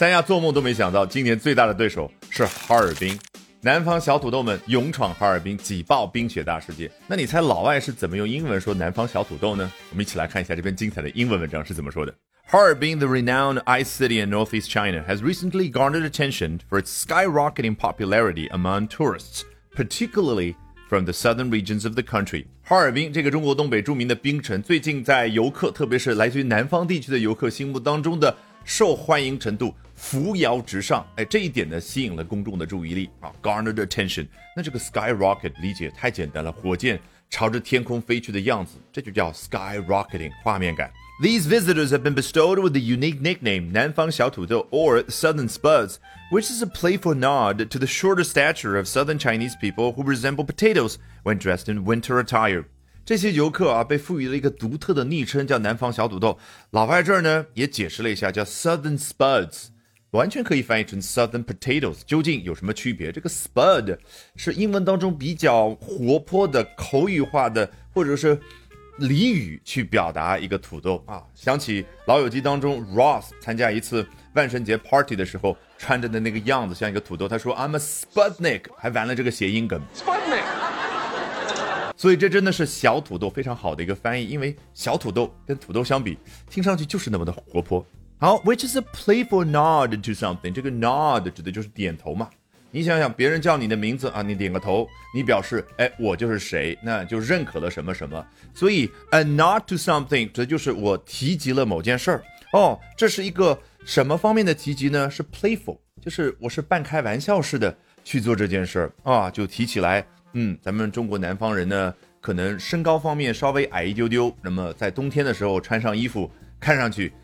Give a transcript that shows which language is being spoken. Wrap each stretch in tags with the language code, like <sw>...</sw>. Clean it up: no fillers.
<zh>三亚做梦都没想到，今年最大的对手是哈尔滨。南方小土豆们勇闯哈尔滨，挤爆冰雪大世界。那你猜老外是怎么用英文说南方小土豆呢？我们一起来看一下这篇精彩的英文文章是怎么说的。</zh> <en>Harbin, the renowned ice city in northeast China, has recently garnered attention for its skyrocketing popularity among tourists, particularly from the southern regions of the country.</en> <zh>哈尔滨这个中国东北著名的冰城，最近在游客，特别是来自于南方地区的游客心目当中的受欢迎程度扶摇直上，哎，这一点呢吸引了公众的注意力啊 ，</zh> <en>garnered attention。</en> <zh>那这个 skyrocket 理解太简单了，火箭朝着天空飞去的样子，这就叫 skyrocketing 画面感。</zh> <en>These visitors have been bestowed with the unique nickname</en> <zh>南方小土豆</zh> <en>or Southern Spuds, which is a playful nod to the shorter stature of Southern Chinese people who resemble potatoes when dressed in winter attire.</en> <zh>这些游客啊被赋予了一个独特的昵称叫南方小土豆。老外这儿呢也解释了一下，叫</zh> <en>Southern Spuds。</en> <zh>完全可以翻译成</zh> <en>Southern Potatoes，</en> <zh>究竟有什么区别？这个 Spud 是英文当中比较活泼的口语化的或者是俚语去表达一个土豆啊。想起老友记当中 Ross 参加一次万圣节 party 的时候穿着的那个样子像一个土豆，他说</zh> <en>I'm a Sputnik，</en> <zh>还玩了这个谐音梗</zh> <en>Sputnik。</en> <zh>所以这真的是小土豆非常好的一个翻译，因为小土豆跟土豆相比听上去就是那么的活泼。</zh> <en>好 ，which is a playful nod to something.</en> <zh>这个 nod 指的就是点头嘛。你想想，别人叫你的名字啊，你点个头，你表示哎，我就是谁，那就认可了什么什么。所以</zh> <en>a nod to something</en> <zh>指的就是我提及了某件事儿。哦，这是一个什么方面的提及呢？是 playful， 就是我是半开玩笑似的去做这件事儿啊，就提起来，咱们中国南方人呢，可能身高方面稍微矮一丢丢，那么在冬天的时候穿上衣服，看上去。</zh>